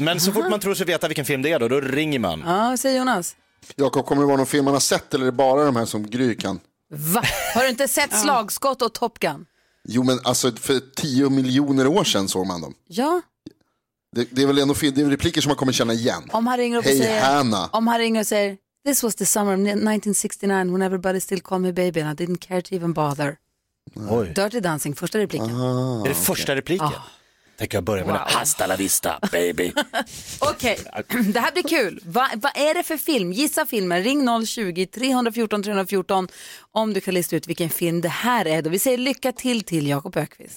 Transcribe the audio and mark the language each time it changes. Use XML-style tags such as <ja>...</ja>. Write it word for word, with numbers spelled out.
<sv>Men så fort man tror sig veta vilken film det är då, då ringer man. Ja, säger Jonas. Jakob, kommer det vara någon film man har sett eller är det bara de här som Grykan? Va? Har du inte sett Slagskott och Top Gun? Jo, men alltså för tio miljoner år sedan såg man dem. Ja. Det, det är väl ändå det är repliker som man kommer känna igen. Om han ringer och hey, säger, Hanna. Om han ringer och säger</sv> <en>This was the summer of nineteen sixty-nine when everybody still called me baby and I didn't care to even bother.</en> <sv>Oj. Dirty Dancing, första repliken. Ah, är det första okay. repliken? Ah. Tänker jag börja med wow.</sv> <es>Hasta la vista, baby.</es> <sv>Okej, okay. Det här blir kul. Va, vad är det för film? Gissa filmen. Ring noll tjugo, tre fjorton, tre fjorton om du kan lista ut vilken film det här är. Då vi säger lycka till till Jakob Ökvist.</sv>